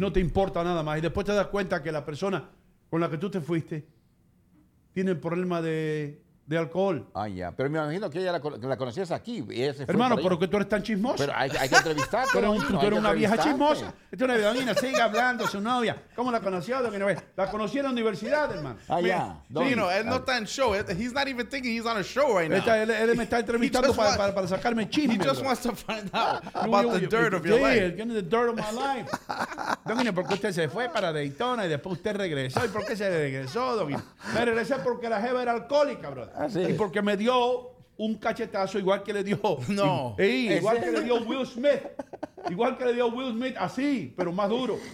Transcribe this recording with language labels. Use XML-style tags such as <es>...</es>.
<es>No te importa nada más. Y después te das cuenta que la persona con la que tú te fuiste, tiene el problema de alcohol. Ah, ya. Pero me imagino que ella la conocías aquí. Y ese hermano, pero que tú eres tan chismoso. Pero hay que entrevistarte. Tú eres una vieja chismosa. Esta es una vieja, sigue hablando, su novia. ¿Cómo la conoció? La conocí en la universidad, hermano. Ah, ya. Yeah. Sí, no, él no está en show.</es> <en>He's not even thinking he's on a show right now.</en> <es>Él me está entrevistando para sacarme chisme.</es> <en>He just wants to find out about the dirt of your life. Yeah, the dirt of my life.</en> <es>Domino, ¿por qué usted se fue para Daytona y después usted regresó? ¿Y por qué se regresó, Domino? Me regresé porque la jeva era alcohólica, bro. Así y porque me dio un cachetazo igual que le dio. No. Igual que le dio Will Smith. Igual que le dio Will Smith, así, pero más duro.</es>